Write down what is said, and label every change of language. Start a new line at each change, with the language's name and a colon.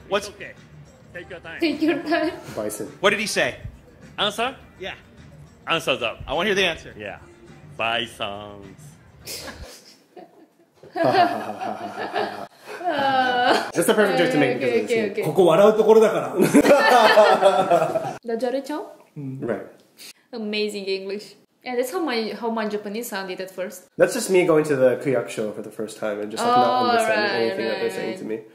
English: What's okay? Take your time. Bison. What did he say? Answer? Yeah. Answer's up. I want to hear the answer. Yeah. Bison. just a perfect joke to make because of this scene.
Japanese: ここ笑うところだから。ダジャレちゃん?
English: Right. Amazing English. Yeah, that's how my Japanese sounded at first. That's just me going to the Kyuk show for the first time and just like, not understanding anything that they're saying to me.